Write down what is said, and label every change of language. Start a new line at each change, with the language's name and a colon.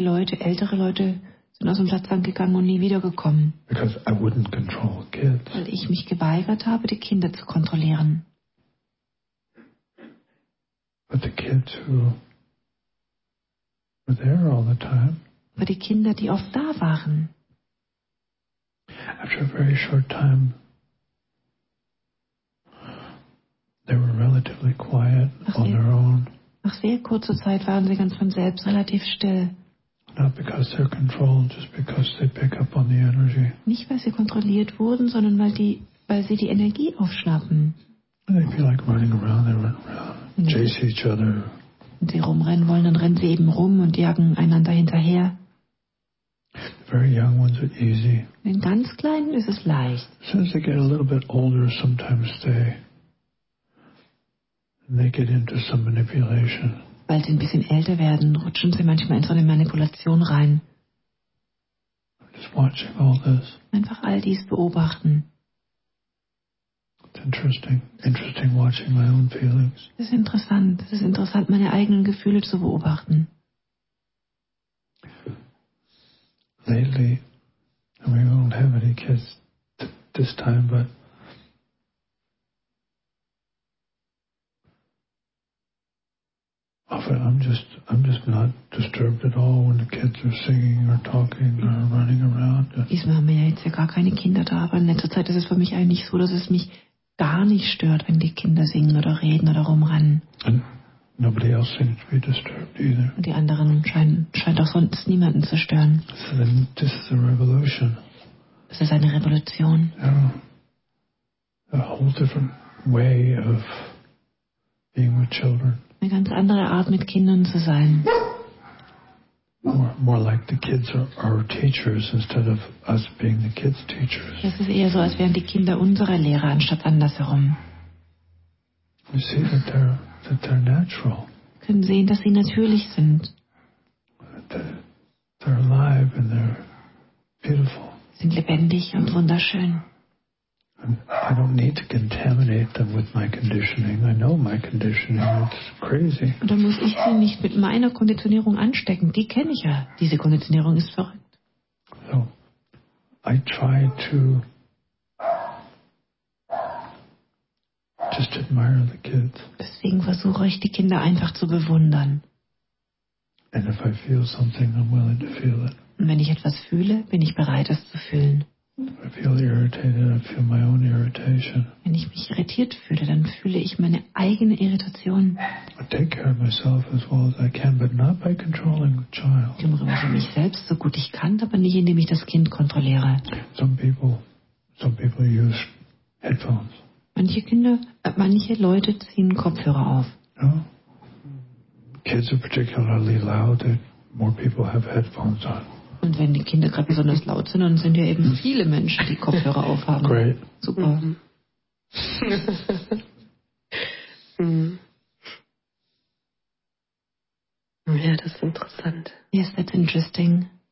German: Leute, ältere Leute, sind aus dem Satsang gegangen und nie wiedergekommen.
English: Because I wouldn't control kids.
German: Weil ich mich geweigert habe, die Kinder zu kontrollieren.
English: But the kids who were there all the time.
German: Aber die Kinder, die oft da waren.
English: After a very short time, they were relatively quiet on their own.
German: Nach sehr kurzer Zeit waren sie ganz von selbst relativ still.
English: Not because they're controlled, just because they pick up on the energy.
German: Nicht weil sie kontrolliert wurden, sondern weil sie die Energie aufschnappen.
English: They feel like running around, they run around, chase each other.
German: Wenn sie rumrennen wollen, dann rennen sie eben rum und jagen einander hinterher.
English: Very young ones are easy.
German: Den ganz kleinen ist es leicht.
English: Since they get a little bit older, sometimes they get into some manipulation.
German: Weil sie ein bisschen älter werden, rutschen sie manchmal in so eine Manipulation rein.
English: Just watching all this.
German: Einfach all dies beobachten.
English: It's interesting watching my own feelings.
German: Es ist interessant, meine eigenen Gefühle zu beobachten.
English: Lately, and we don't have any kids this time, but often I'm just not disturbed at all when the kids are singing or talking or running around.
German: Diesmal haben wir jetzt ja gar keine Kinder da, aber in letzter Zeit ist es für mich eigentlich so, dass es mich gar nicht stört, wenn die Kinder singen oder reden oder rumrennen.
English: And nobody else seems to be disturbed either.
German: Und die anderen scheint auch sonst niemanden zu stören.
English: So then this is a revolution.
German: Es ist eine Revolution.
English: Yeah. A whole different way of being with children.
German: Eine ganz andere Art, mit Kindern zu sein.
English: More like the kids are our teachers instead of us being the kids' teachers.
German: Das ist eher so, als wären die Kinder unsere Lehrer anstatt andersherum.
English: You see that they're natural.
German: Können sehen, dass sie natürlich sind.
English: They're alive and they're beautiful.
German: Sind lebendig und wunderschön.
English: I don't need to contaminate them with my conditioning. I know my conditioning. It's crazy.
German: Und dann muss ich sie nicht mit meiner Konditionierung anstecken. Die kenne ich ja. Diese Konditionierung ist verrückt.
English: So, I try to just admire the kids.
German: Deswegen versuche ich, die Kinder einfach zu bewundern.
English: And if I feel something, I'm willing to feel it.
German: Und wenn ich etwas fühle, bin ich bereit, es zu fühlen.
English: I feel irritated, I feel my own irritation.
German: Wenn ich mich irritiert fühle, dann fühle ich meine eigene Irritation.
English: I take care of myself as well as I can, but not by controlling the child.
German: Ich kümmere mich um mich selbst so gut ich kann, aber nicht indem ich das Kind kontrolliere.
English: Some people use headphones.
German: Manche Leute ziehen Kopfhörer auf.
English: No. Kids are particularly loud, and more people have headphones on.
German: Und wenn die Kinder gerade besonders laut sind, dann sind ja eben viele Menschen, die Kopfhörer aufhaben.
English: Great.
German: Super. Ja, das ist interessant.
English: Yes, that's interesting.